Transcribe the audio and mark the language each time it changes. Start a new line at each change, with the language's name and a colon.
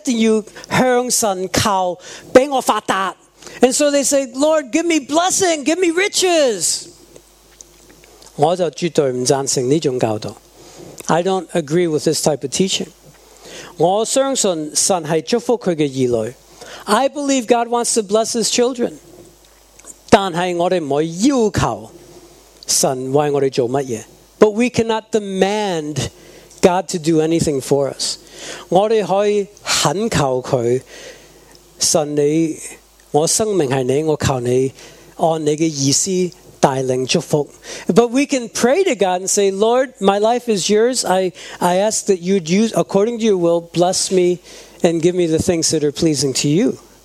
Chinese: 所以他鼓励你就一定要向神靠,给我发达。
English: And so they say, Lord, give me blessing, give me riches.
Chinese: 我就绝对不赞成这种教导。
English: I don't agree with this type of teaching.
Chinese: 我相信神是祝福他的儿女。
English: I believe God wants to bless His children.
Chinese: 但是我们不要求神为我们做什么。
English: But we cannot demand God to do anything for us.
Chinese: 我们可以恳求祂,神你,我生命是你,我求你,按你的意思,
English: But we can pray to God and say, Lord, my life is yours. I ask that you'd use, according to your will, bless me and give me the things that are pleasing to you.